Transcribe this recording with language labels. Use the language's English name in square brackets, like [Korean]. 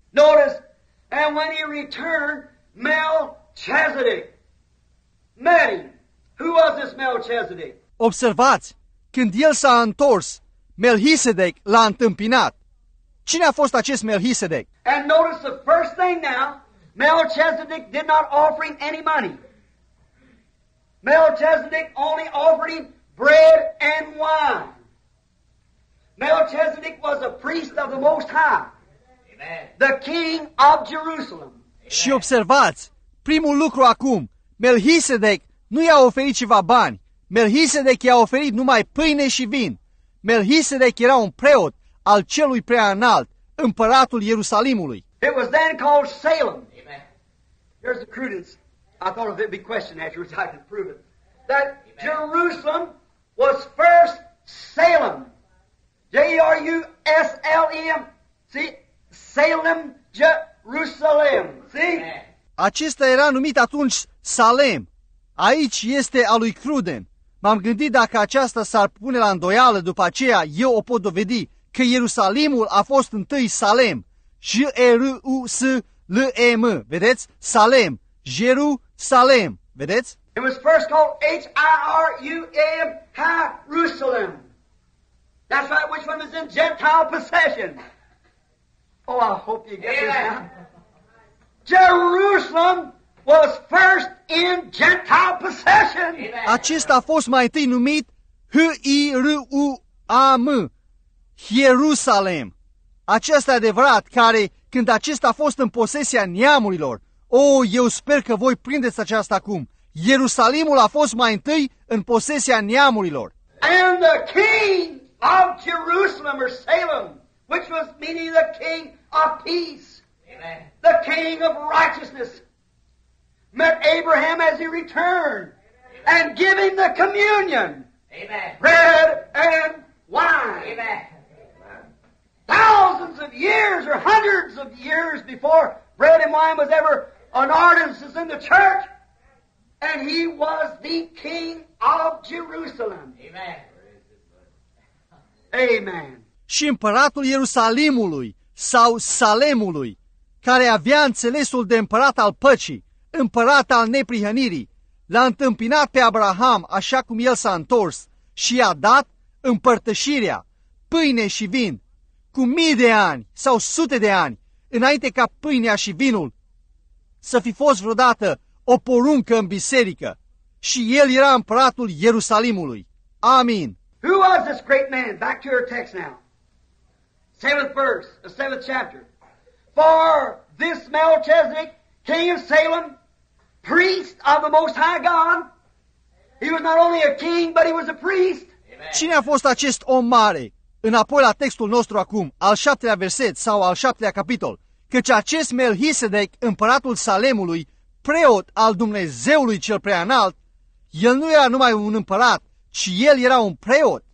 [English] Notice, and when he returned, Melchizedek, Mary, who was this Melchizedek? [Romanian] Observați, când el s-a întors, Melchizedek l-a întâmpinat. Cine a fost acest Melchizedek? [English] And notice the first thing now, Melchizedek did not offer him any money. Melchizedek only offered him bread and wine. Melchizedek was a priest of the Most High. Amen. The king of Jerusalem. Amen. [Romanian] Și observați, primul lucru acum, Melchizedek nu i-a oferit ceva bani. Melchizedek i-a oferit numai pâine și vin. Melchizedek era un preot al celui prea înalt, împăratul Ierusalimului. [English] It was then called Salem. Amen. Here's the crudence. I thought if it'd be questioned afterwards, I could prove it. That Amen. Jerusalem was first Salem. J-E-R-U-S-L-E-M. See? Salem, Jerusalem. See? Amen. [Romanian] Acesta era numit atunci Salem. Aici este al lui Cruden. M-am gândit dacă aceasta s-ar pune la îndoială, după aceea eu o pot dovedi că Ierusalimul a fost întâi Salem. J-E-R-U-S-L-E-M. Vedeți? Salem. Jerusalem. Vedeți? [English] It was first called H-I-R-U-M Jerusalem. That's right, which one is in Gentile possession? Oh, I hope you get this now. Jerusalem was first in Gentile possession. Amen. [Romanian] Acesta a fost mai întâi numit H-I-R-U-A-M, Hierusalem. Acesta e adevărat, care când acesta a fost în posesia neamurilor, eu sper că voi prindeți aceasta acum, Ierusalimul a fost mai întâi în posesia neamurilor. [English] And the king of Jerusalem, or Salem, which was meaning the king of peace, Amen. The king of righteousness, met Abraham as he returned Amen. And gave him the communion, Amen. Bread and wine. Amen. Thousands of years or hundreds of years before bread and wine was ever an ordinance in the church, and he was the king of Jerusalem. Amen. Amen. [Romanian] Și împăratul Ierusalimului sau Salemului, care avea înțelesul de împărat al păcii, împărat al neprihănirii, l-a întâmpinat pe Abraham așa cum el s-a întors și i-a dat împărtășirea, pâine și vin, cu mii de ani sau sute de ani, înainte ca pâinea și vinul să fi fost vreodată o poruncă în biserică. Și el era împăratul Ierusalimului. Amin. [English] Who was this great man? Back to your text now. Seventh verse, the seventh chapter. For this Melchizedek, king of Salem, priest of the Most High God. He was not only a king, but he was a priest. Amen. [Romanian] Cine a fost acest om mare? Înapoi la textul nostru acum, al șaptelea verset sau al șaptelea capitol. Căci acest Melchizedek, împăratul Salemului, preot al Dumnezeului cel preanalt, el nu era numai un împărat, ci el era un preot.